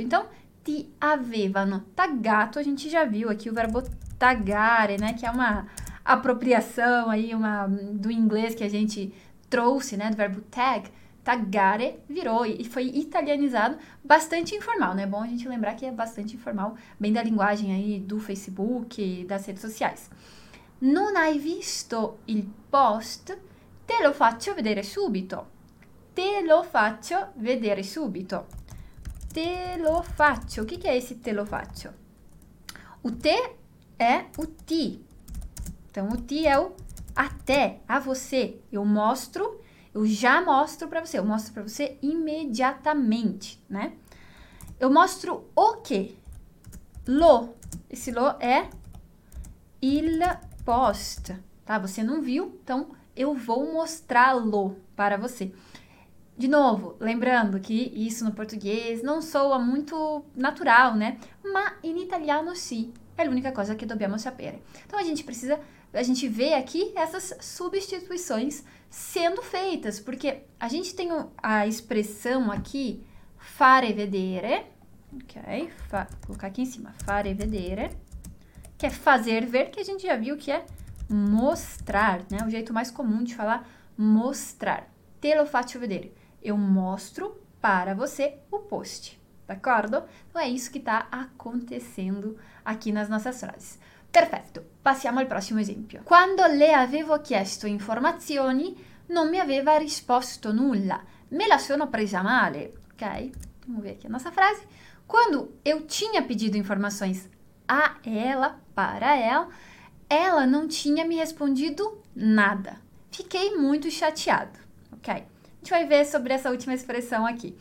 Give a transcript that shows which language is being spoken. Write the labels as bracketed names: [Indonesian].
[Portuguese] Então, [Italian] ti avevano taggato, [Portuguese] a gente já viu aqui o verbo taggare, né, que é uma apropriação aí, uma do inglês que a gente trouxe, né, do verbo tag. Taggare virou e foi italianizado, bastante informal, né? É bom a gente lembrar que é bastante informal, bem da linguagem aí do Facebook, das redes sociais. [Italian] Non hai visto il post? Te lo faccio vedere subito. Te lo faccio vedere subito. Te lo faccio. [Portuguese] O que é esse te lo faccio? O te è o ti. Então, o ti è o a te, a você. Eu mostro. Eu já mostro para você, eu mostro para você imediatamente, né? Eu mostro o quê? Lo. Esse lo é il post, tá? Você não viu, então eu vou mostrá-lo para você. De novo, lembrando que isso no português não soa muito natural, né? [Italian] Ma in italiano sì, è l'unica cosa che dobbiamo sapere. [Portuguese] Então a gente vê aqui essas substituições sendo feitas, porque a gente tem a expressão aqui fare vedere, ok? Vou colocar aqui em cima, fare vedere, que é fazer ver, que a gente já viu que é mostrar, né? O jeito mais comum de falar mostrar. [Italian] Te lo faccio vedere. [Portuguese] Eu mostro para você o post, d'accordo? Então é isso que está acontecendo aqui nas nossas frases. [Italian] Perfetto, passiamo al prossimo esempio. Quando le avevo chiesto informazioni, non mi aveva risposto nulla. Me la sono presa male, ok? [Portuguese] Vamos ver aqui a nossa frase. Quando eu tinha pedido informações a ela, para ela não tinha me respondido nada. Fiquei muito chateado, ok? A gente vai ver sobre essa última expressão aqui.